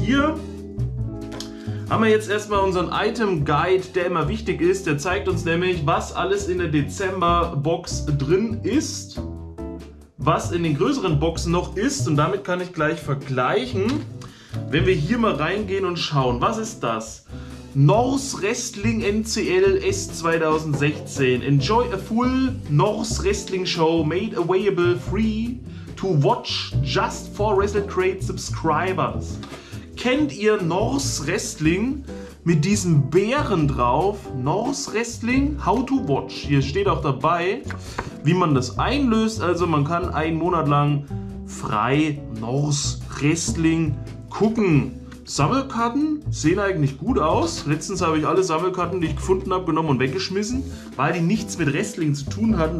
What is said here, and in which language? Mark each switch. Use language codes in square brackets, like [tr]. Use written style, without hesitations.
[de] Hier haben wir jetzt erstmal unseren Item Guide, der immer wichtig ist. Der zeigt uns nämlich, was alles in der Dezember Box drin ist, was in den größeren Boxen noch ist, und damit kann ich gleich vergleichen, wenn wir hier mal reingehen und schauen, was ist das? Norse Wrestling NCL S 2016. [en] Enjoy a full Norse Wrestling Show made available free to watch just for WrestleCrate Subscribers. [de] Kennt ihr Norse Wrestling mit diesem Bären drauf? [en] Norse Wrestling, how to watch. [de] Hier steht auch dabei, wie man das einlöst. Also man kann einen Monat lang frei Norse Wrestling gucken. Sammelkarten sehen eigentlich gut aus. Letztens habe ich alle Sammelkarten, die ich gefunden habe, genommen und weggeschmissen, weil die nichts mit Wrestling zu tun hatten.